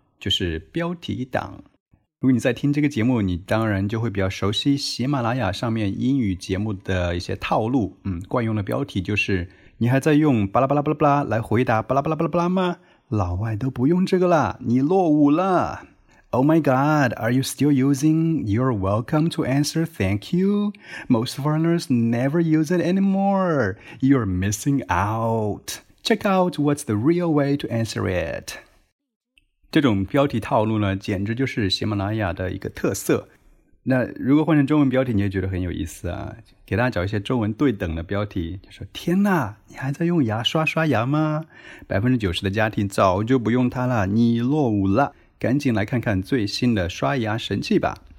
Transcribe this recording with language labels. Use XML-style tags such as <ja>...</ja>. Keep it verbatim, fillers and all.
<zh>就是标题党。如果你在听这个节目，你当然就会比较熟悉喜马拉雅上面英语节目的一些套路，嗯，惯用的标题就是你还在用巴拉巴拉巴拉巴拉来回答巴拉巴拉巴拉巴拉吗？老外都不用这个啦，你落伍了。</zh> <en>Oh my god, are you still using you're welcome to answer thank you? Most foreigners never use it anymore. You're missing out. Check out what's the real way to answer it.</en> <zh>这种标题套路呢，简直就是喜马拉雅的一个特色。那如果换成中文标题，你也觉得很有意思啊。给大家找一些中文对等的标题，就说天哪，你还在用牙刷刷牙吗？百分之九十 的家庭早就不用它了，你落伍了，赶紧来看看最新的刷牙神器吧。</zh>